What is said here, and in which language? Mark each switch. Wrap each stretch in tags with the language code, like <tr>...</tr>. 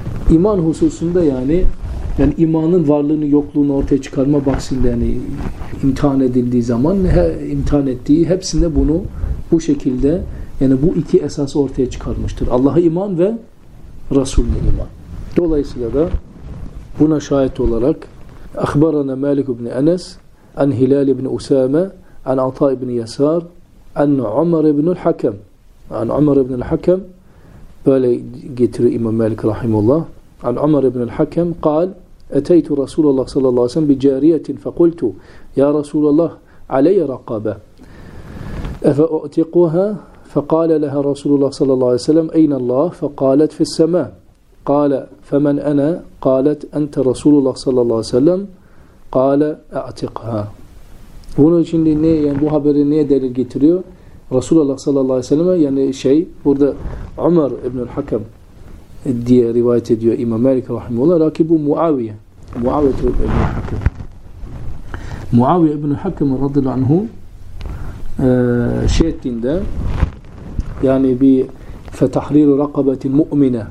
<tr>İman hususunda yani imanın varlığını yokluğunu ortaya çıkarma bahsindeni imtihan edildiği zaman imtihan ettiği hepsinde bunu bu şekilde yani bu iki esası ortaya çıkarmıştır. Allah'a iman ve Resulüne iman. Dolayısıyla da buna şahit olarak akhbarana Malik ibn Enes an Hilal ibn Usame an Ata ibn Yasar an Umar ibn al-Hakam an Umar ibn al-Hakam böyle getiriyor İmam Malik rahimullah an Umar ibn al-Hakam</tr> <ar>قال أتيت رسول الله صلى الله عليه وسلم بجارية فقلت يا رسول الله علي رقبة أفأعتقها فقال لها رسول الله صلى الله عليه وسلم أين الله فقالت في السماء قال فمن أنا قالت أنت رسول الله صلى الله عليه وسلم قال أعتقها.</ar> <tr>Bunun için ne yani bu haberi neye delil getiriyor? Resulullah sallallahu aleyhi ve sellem yani şey burada Umar ibn al-Hakam diye rivayet ediyor İmam Malik rahimehullah. Lakin bu Muaviye. Muaviye ibn al-Hakam. Muaviye ibn al-Hakam radıyallahu anhu şey ettiğinde yani bir</tr> <ar>fetahriru rakabetin mu'mine.</ar>